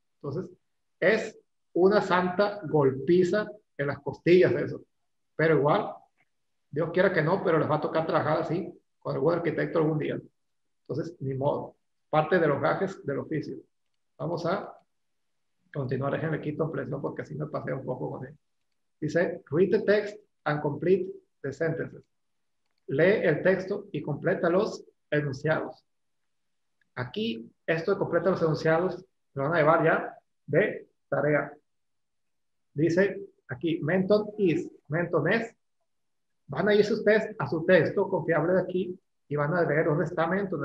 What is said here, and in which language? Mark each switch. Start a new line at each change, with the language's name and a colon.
Spanish: Entonces, es una santa golpiza en las costillas eso. Pero igual, Dios quiera que no, pero les va a tocar trabajar así con algún arquitecto algún día. Entonces, ni modo. Parte de los gajes del oficio. Vamos a continuar, déjenme quito presión porque así me pasé un poco con él.
English: Dice, read the text and complete the sentences.
Spanish: Lee el texto y completa los enunciados. Aquí, esto de completa los enunciados, lo van a llevar ya de tarea. Dice aquí, Menton es. Van a irse ustedes a su texto confiable de aquí y van a leer dónde está Menton.